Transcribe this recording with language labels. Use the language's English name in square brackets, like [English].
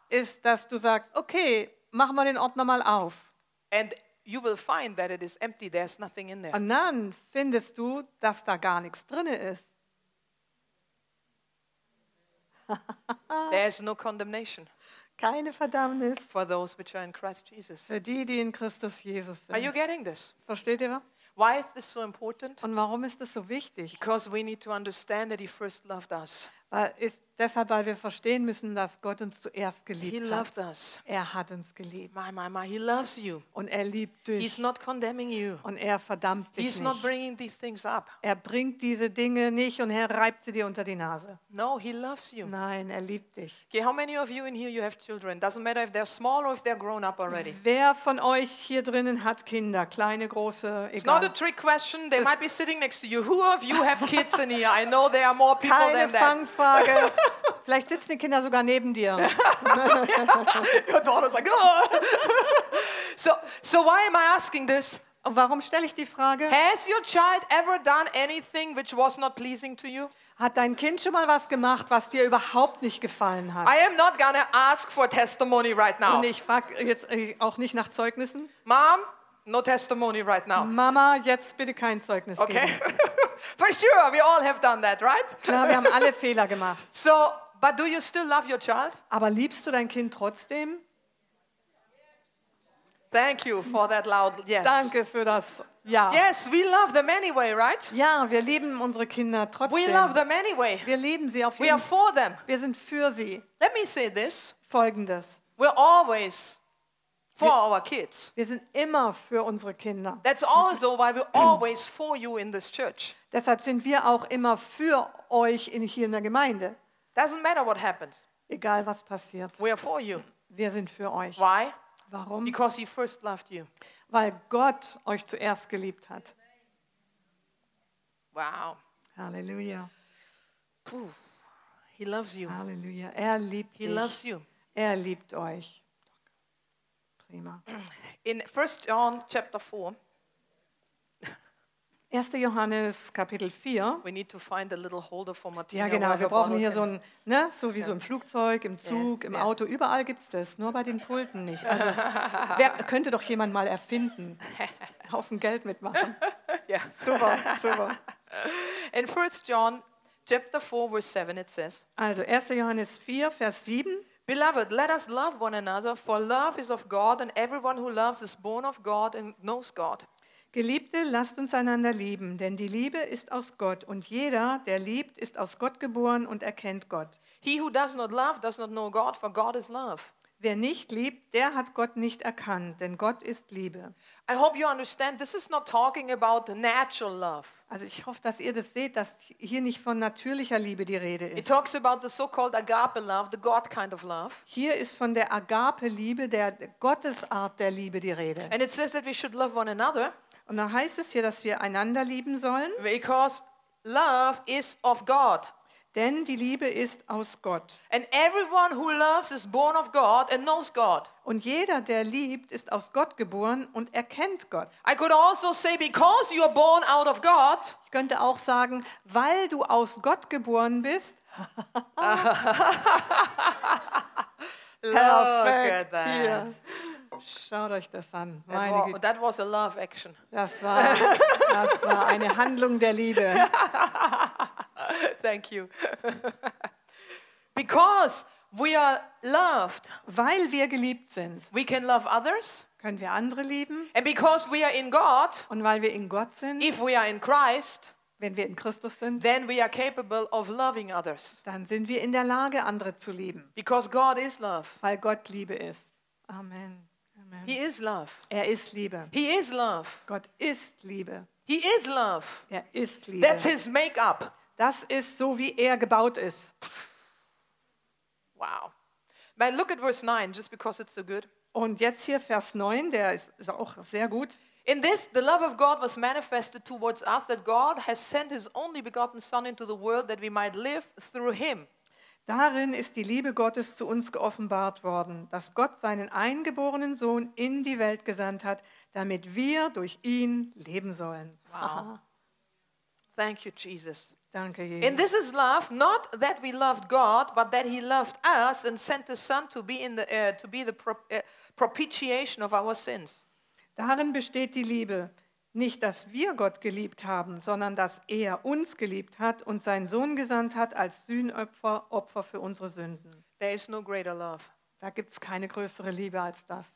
[German] Ist, dass du sagst, okay, mach mal den Ordner mal auf. [English] And you will find that it is empty. There's nothing in there. [German] Und dann findest du, dass da gar nichts drin ist. [English] There is no condemnation. [German] Keine Verdammnis. [English] For those which are in Christ Jesus. [German] Für die, die in Christus Jesus sind. [English] Are you getting this? [German] Versteht ihr? [English] Why is this so important? [German] Und warum ist das so wichtig? [English] Because we need to understand that he first loved us. [German] Weil wir verstehen müssen, dass Gott uns zuerst geliebt hat. [English] He loved us. [German] Er hat uns geliebt. [English] My, he loves you. [German] Und er liebt dich. [English] He's not condemning you. [German] Und er verdammt dich nicht. [English] He's not bringing these things up. [German] Er bringt diese Dinge nicht und er reibt sie dir unter die Nase. [English] No, he loves you. [German] Nein, er liebt dich. [English] Okay, how many of you in here you have children? Doesn't matter if they're small or if they're grown up already. [German] Wer von euch hier drinnen hat Kinder, kleine, große, egal. [English] It's not a trick question. They might be sitting next to you. Who of you have kids in here? I know there are more people than that. [German] Frage. Vielleicht sitzen die Kinder sogar neben dir. [English] Your daughter's like, oh. So why am I asking this? [German] Warum stelle ich die Frage? [English] Has your child ever done anything which was not pleasing to you? [German] Hat dein Kind schon mal was gemacht, was dir überhaupt nicht gefallen hat? [English] I am not gonna ask for testimony right now. [German] Und ich frage jetzt auch nicht nach Zeugnissen. [English] Mom, no testimony right now. [German] Mama, jetzt bitte kein Zeugnis okay. geben. [English] For sure, we all have done that, right? [German] Klar, wir haben alle Fehler gemacht. [English] So, but do you still love your child? [German] Aber liebst du dein Kind trotzdem? [English] Thank you for that loud yes. [German] Danke für das ja. [English] Yes, we love them anyway, right? [German] Ja, wir lieben unsere Kinder trotzdem. [English] We love them anyway. [German] Wir lieben sie auf jeden [English] Fall. We are for them. [German] Wir sind für sie. [English] Let me say this. [German] Folgendes. [English] We're always for our kids. [German] Wir sind immer für unsere Kinder. [English] That's also why we're always for you in this church. [German] Deshalb sind wir auch immer für euch in hier in der Gemeinde. [English] Doesn't matter what happens. [German] Egal was passiert. [English] We are for you. [German] Wir sind für euch. [English] Why? [German] Warum? [English] Because he first loved you. [German] Weil Gott euch zuerst geliebt hat. [English] Wow. [German] Halleluja. [English] Puh. He loves you. [German] Halleluja. Er liebt [English] dich. He loves you. [German] Er liebt euch. [English] In 1. John chapter 4. [German] 1. Johannes Kapitel 4. [English] We need to find a little holder for Martina. [German] Ja, genau, wir brauchen hier so ein, ne, so wie so im Flugzeug, im Zug, im Auto, überall gibt's das, nur bei den Pulten nicht. Also wer könnte doch jemand mal erfinden, einen Haufen Geld mitmachen. Ja, super, super. [English] In 1. John chapter 4 verse 7 it says. [German] Also 1. Johannes 4 Vers 7. [English] Beloved, let us love one another, for love is of God, and everyone who loves is born of God and knows God. [German] Geliebte, lasst uns einander lieben, denn die Liebe ist aus Gott, und jeder, der liebt, ist aus Gott geboren und erkennt Gott. [English] He who does not love does not know God, for God is love. [German] Wer nicht liebt, der hat Gott nicht erkannt, denn Gott ist Liebe. [English] I hope you understand, this is not talking about natural love. [German] Also ich hoffe, dass ihr das seht, dass hier nicht von natürlicher Liebe die Rede ist. [English] It talks about the so-called agape love, the God kind of love. [German] Hier ist von der Agape-Liebe, der Gottesart der Liebe die Rede. [English] And it says that we should love one another. [German] Und da heißt es hier, dass wir einander lieben sollen. [English] Because love is of God. [German] Denn die Liebe ist aus Gott. [English] And everyone who loves is born of God and knows God. [German] Und jeder, der liebt, ist aus Gott geboren und erkennt Gott. [English] I could also say, because you are born out of God. [German] Ich könnte auch sagen, weil du aus Gott geboren bist. Perfekt. [English] Look at that. [German] Schaut euch das an. Meine [English] Güte. That was a love action. [German] Das war eine Handlung der Liebe. [English] Thank you. Because We are loved. [German] Weil wir geliebt sind. [English] We can love others. [German] Können wir andere lieben. [English] And because we are in God. [German] Und weil wir in Gott sind. [English] If we are in Christ. [German] Wenn wir in Christus sind, [English] then we are capable of loving others. [German] Dann sind wir in der Lage, andere zu lieben. [English] Because God is love. [German] Weil Gott Liebe ist. Amen. [English] He is love. [German] Er ist Liebe. [English] He is love. [German] Gott ist Liebe. [English] He is love. [German] Er ist Liebe. [English] That's his makeup. [German] Das ist so, wie er gebaut ist. [English] Wow. But look at verse 9, just because it's so good. [German] Und jetzt hier Vers 9, der ist auch sehr gut. [English] In this, the love of God was manifested towards us, that God has sent his only begotten Son into the world, that we might live through him. [German] Darin ist die Liebe Gottes zu uns geoffenbart worden, dass Gott seinen eingeborenen Sohn in die Welt gesandt hat, damit wir durch ihn leben sollen. [English] Wow. Thank you, Jesus. [German] Danke, Jesus. [English] And this is love, not that we loved God, but that he loved us and sent his Son to be in the to be the propitiation of our sins. [German] Darin besteht die Liebe, nicht dass wir Gott geliebt haben, sondern dass er uns geliebt hat und seinen Sohn gesandt hat als Sühnopfer, Opfer für unsere Sünden. [English] There is no greater love. [German] Da gibt es keine größere Liebe als das.